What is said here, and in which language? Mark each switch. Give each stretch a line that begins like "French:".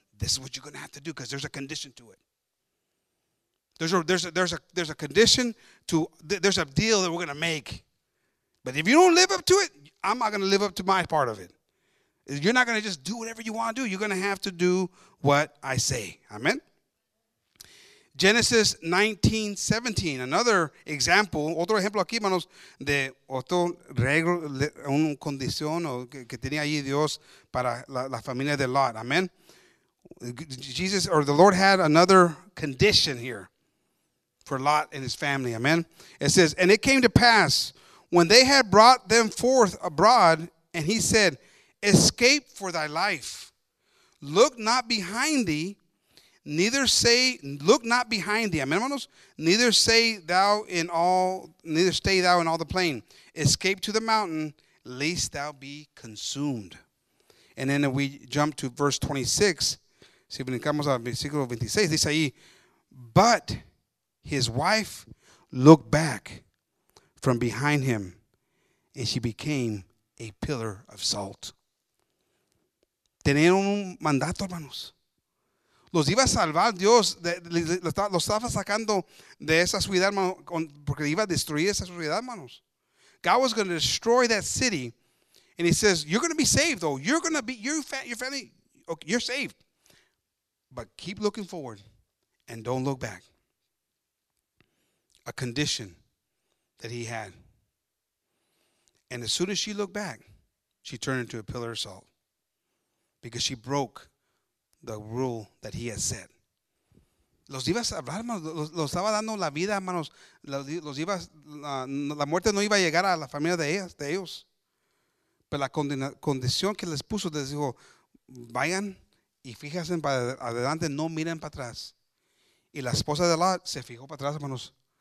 English: This is what you're going to have to do, because there's a condition to it. There's a condition to, there's a deal that we're going to make. But if you don't live up to it, I'm not going to live up to my part of it. You're not going to just do whatever you want to do. You're going to have to do what I say. Amen? Genesis 19:17. Another example,
Spanish: otro ejemplo aquí, hermanos, de otro regalo, una condición que tenía allí Dios para la familia de Lot.
English: Amen? Jesus, or the Lord, had another condition here for Lot and his family. Amen? It says, and it came to pass, when they had brought them forth abroad, and he said, escape for thy life. Look not behind thee, Amen, hermanos? Neither stay thou in all the plain. Escape to the mountain, lest thou be consumed. And then we jump to verse 26.
Spanish: Si brincamos al versículo 26, dice ahí,
English: but his wife looked back from behind him, and she became a pillar of salt.
Spanish: Tenían un mandato, hermanos. Los iba a salvar Dios. Los estaba sacando de esa ciudad, hermanos, porque iba a destruir esa ciudad, hermanos.
English: God was going to destroy that city. And he says, you're going to be saved, though. You're going to be, your family, okay, you're saved. But keep looking forward and don't look back. A condition that he had. And as soon as she looked back, she turned into a pillar of salt, because she broke the rule that he had set.
Spanish: Los iba a salvar, hermanos. Los estaba dando la vida, hermanos. Los iba, la muerte no iba a llegar a la familia de ellos. Pero la condición que les puso, les dijo, vayan y fíjense para adelante, no miren para atrás. Y la esposa de Lot se fijó para atrás, hermanos.